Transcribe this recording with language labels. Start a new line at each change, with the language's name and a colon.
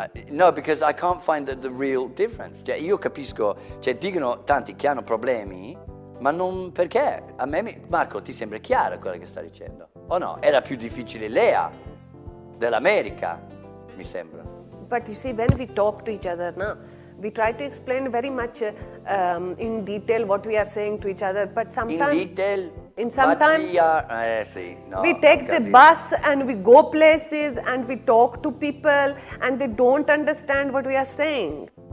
English: No, because I can't find the real difference.
Italian: Cioè, io capisco, cioè dicono tanti che hanno problemi, ma non perché. A me, Marco, ti sembra chiaro quello che sta dicendo? O no? Era più difficile Lea dell'America, mi sembra.
English: But you see, when we talk to each other, no? We try to explain very much in detail what we are saying to each other, but sometimes... In detail? In some but time, we are, sì, no, we take the bus and we go places and we talk to people and they don't understand what we are saying.